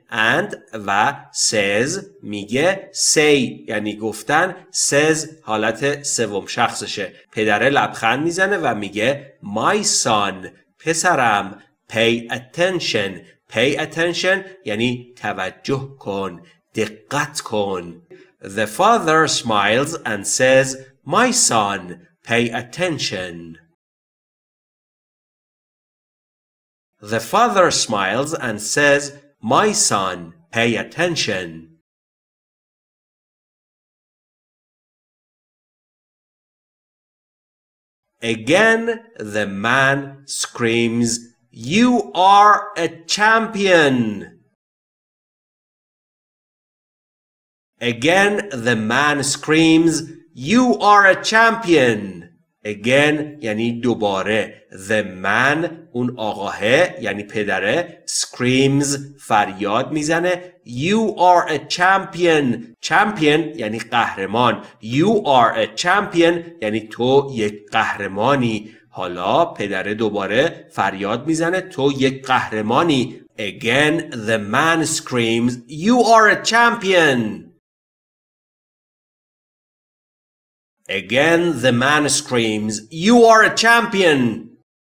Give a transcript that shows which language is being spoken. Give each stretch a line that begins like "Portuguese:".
Persian: And و says میگه. Say یعنی گفتن. Says حالت سوم شخصشه. پدره لبخند میزنه و میگه
English: my son،
Persian: پسرم.
English: Pay attention. Pay attention
Persian: یعنی توجه کن، دقت کن.
English: The father smiles and says my son، pay attention. The father smiles and says, my son, pay attention. Again, the man screams, you are a champion. Again, the man screams, you are a champion.
Persian: Again یعنی دوباره.
English: The man
Persian: اون آقاه یعنی پدره screams فریاد میزنه
English: you are a champion.
Persian: Champion یعنی قهرمان.
English: You are a champion
Persian: یعنی تو یک قهرمانی. حالا پدره دوباره فریاد میزنه تو یک قهرمانی.
English: Again the man screams you are a champion. Again, the man screams, you are a champion.